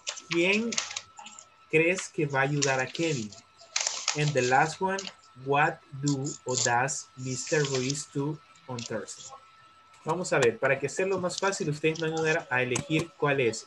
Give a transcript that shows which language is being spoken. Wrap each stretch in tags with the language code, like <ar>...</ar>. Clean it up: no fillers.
<es>¿Quién crees que va a ayudar a Kevin?</es> <en>And the last one, what do or does Mr. Ruiz do on Thursday?</en> <es>Vamos a ver, para que sea lo más fácil, ustedes van a ayudar a elegir cuál es.</es>